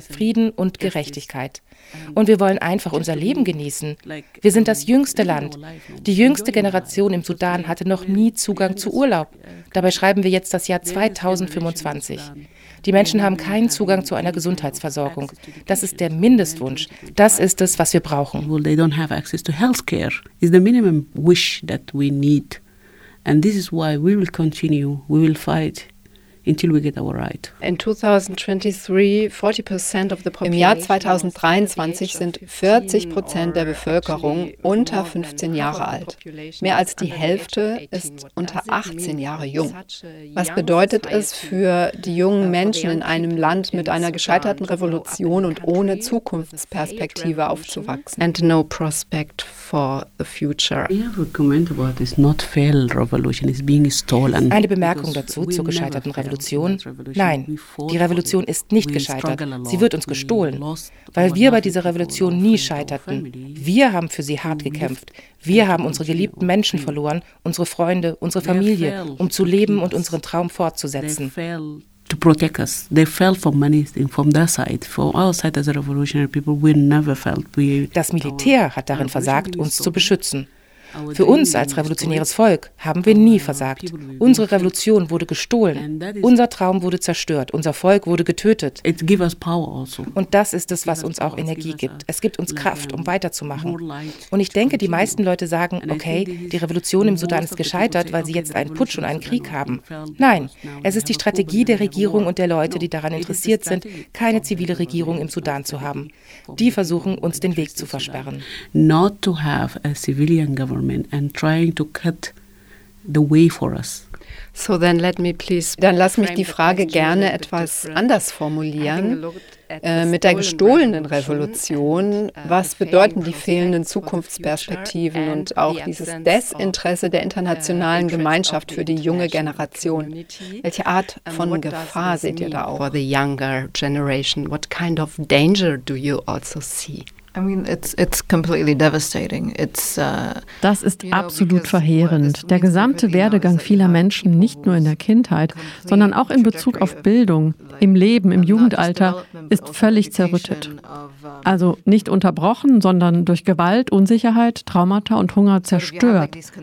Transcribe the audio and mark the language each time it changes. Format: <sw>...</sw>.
<de>Frieden und Gerechtigkeit. Und wir wollen einfach unser Leben genießen. Wir sind das jüngste Land. Die jüngste Generation im Sudan hatte noch nie Zugang zu Urlaub. Dabei schreiben wir jetzt das Jahr 2025. Die Menschen haben keinen Zugang zu einer Gesundheitsversorgung. Das ist der Mindestwunsch. Das ist es, was wir brauchen.</de> <en>They don't have access to healthcare. It's the minimum wish that we need. And this is why we will continue, we will fight until we get our right. In 2023, 40% of the population.</en> <de>Im Jahr 2023 sind 40% der Bevölkerung unter 15 Jahre alt. Mehr als die Hälfte ist unter 18 Jahre jung. Was bedeutet es für die jungen Menschen in einem Land mit einer gescheiterten Revolution und ohne Zukunftsperspektive aufzuwachsen?</de> <en>And no prospect for the future. I have a comment about this not failed revolution, it's being stolen.</en> <de>Eine Bemerkung dazu zur gescheiterten Revolution? Nein, die Revolution ist nicht gescheitert. Sie wird uns gestohlen, weil wir bei dieser Revolution nie scheiterten. Wir haben für sie hart gekämpft. Wir haben unsere geliebten Menschen verloren, unsere Freunde, unsere Familie, um zu leben und unseren Traum fortzusetzen.</de> <en>to protect us. They felt for many things from their side. For our side as a revolutionary people, we never felt we.</en> <de>Das Militär hat darin versagt, uns zu beschützen. Für uns als revolutionäres Volk haben wir nie versagt. Unsere Revolution wurde gestohlen. Unser Traum wurde zerstört. Unser Volk wurde getötet. Und das ist es, was uns auch Energie gibt. Es gibt uns Kraft, um weiterzumachen. Und ich denke, die meisten Leute sagen, okay, die Revolution im Sudan ist gescheitert, weil sie jetzt einen Putsch und einen Krieg haben. Nein, es ist die Strategie der Regierung und der Leute, die daran interessiert sind, keine zivile Regierung im Sudan zu haben. Die versuchen, uns den Weg zu versperren.</de> <en>Not to have a civilian government. And trying to cut the way for us. So then let me please.</en> <de>Dann lass mich die Frage gerne etwas anders formulieren. Mit der gestohlenen Revolution, was bedeuten die fehlenden Zukunftsperspektiven und auch dieses Desinteresse der internationalen Gemeinschaft für die junge Generation? Welche Art von Gefahr seht ihr da auch?</de> <en>For the younger generation, what kind of danger do you also see? I mean, it's completely devastating.</en> <de>Das ist absolut verheerend. Der gesamte Werdegang vieler Menschen, nicht nur in der Kindheit, sondern auch in Bezug auf Bildung, im Leben, im Jugendalter, ist völlig zerrüttet. Also nicht unterbrochen, sondern durch Gewalt, Unsicherheit, Traumata und Hunger zerstört.</de>